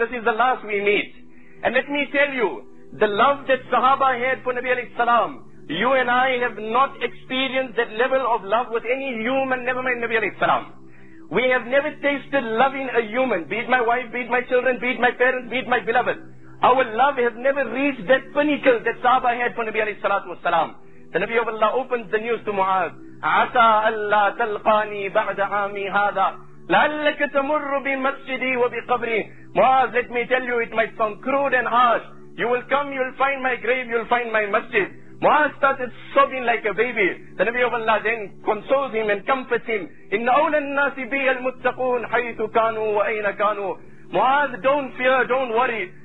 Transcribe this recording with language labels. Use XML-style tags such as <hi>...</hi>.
<en>This is the last we meet. And let me tell you, the love that Sahaba had for Nabi alayhi salam, you and I have not experienced that level of love with any human, never mind Nabi alayhi salam. We have never tasted loving a human, be it my wife, be it my children, be it my parents, be it my beloved. Our love has never reached that pinnacle that Sahaba had for Nabi alayhi salatu wasalam. The Nabi of Allah opens the news to Muaz.</en> <ar>عسى ألا تلقاني بعد عامي هذا لعلك تمر بمسجدي وبقبري.</ar> <en>Muaz, let me tell you, it might sound crude and harsh. You will come, you will find my grave, you will find my masjid. Muaz started sobbing like a baby. The Nabi of Allah then consoles him and comforts him.</en> <ar>إِنَّ أَوْلَى النَّاسِ بِيَ الْمُتَّقُونَ حَيْثُ كَانُوا وَأَيْنَ كَانُوا.</ar> <en>Muaz, don't fear, don't worry.</en>